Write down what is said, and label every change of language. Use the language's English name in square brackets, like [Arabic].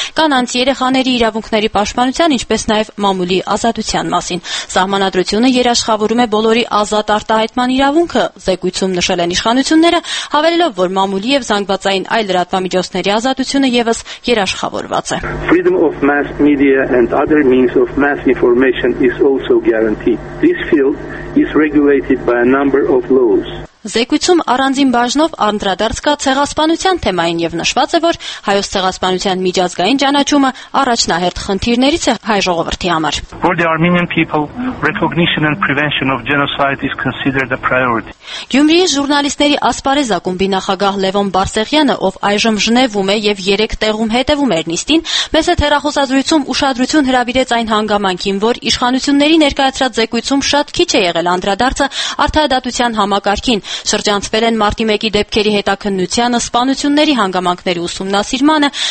[Armenian] կանանց երեխաների իրավունքների պաշտպանության, ինչպես նաև մամուլի ազատության մասին։ Սահմանադրությունը երաշխավորում է բոլորի ազատ արտահայտման իրավունքը, զեկույցում նշել են իշխանությունները, հավելելով, որ մամուլի և զանգվածային այլ լրատվամիջոցների ազատությունը ևս երաշխավորված է։ [English] Freedom of mass media and other means of mass information is also guaranteed. This field is regulated by a number of laws. [Armenian] Զեկույցում առանձին բաժնով անդրադարձ կա ցեղասպանության թեմային և նշված է, որ հայոց ցեղասպանության միջազգային ճանաչումը առաջնահերթ խնդիրներից է հայ ժողովրդի համար։ [English] For the Armenian people, recognition and prevention of genocide is considered a priority. [Armenian] Գյումրիի ժուրնալիստների ասպարեզ ակումբի նախագահ Լևոն Բարսեղյանը, ով այժմ Ժնևում է և 3 տեղում հետևում էր նիստին, մեզ հետ հեռախոսազրույցում ուշադրություն հրավիրեց այն հանգամանքին, որ իշխանությունների ներկայացրած զեկույցում շատ քիչ է եղել անդրադարձը արտահայտության համակարգին։ Շրջանցվել են մարտի 1-ի դեպքերի հետաքննությանը, սպանությունների հանգամանքների ուսումնասիրմանը,